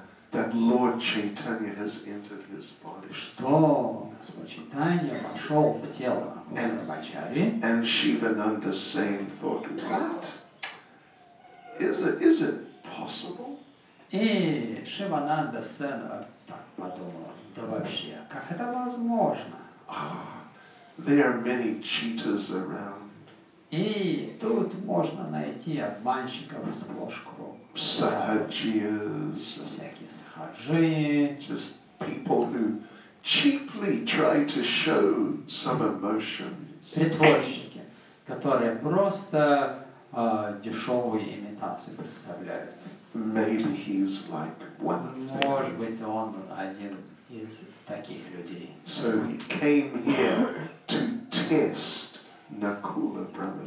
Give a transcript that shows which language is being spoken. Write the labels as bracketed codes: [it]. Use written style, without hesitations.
[en] That Lord Chaitanya has entered his body. [ru] Что Господь Чайтанья вошел в тело Накулы Брахмачари? [en] And Shivananda Sen thought, what? Is it possible? [ru] И Шивананда Сен так подумал, да вообще, как это возможно? [en] Ah, there are many cheaters around. [ru] И тут можно найти обманщиков сплошь кругом. [en] Sahajiyas, [ru] всякие сахаджи, [en] just people who cheaply try to show some emotions. [ru] Притворщики, которые просто дешевую имитацию представляют. [en] Maybe he's like one. [ru] Может быть, он один из таких людей. [en] So he came here to test Nakula Brahmachari.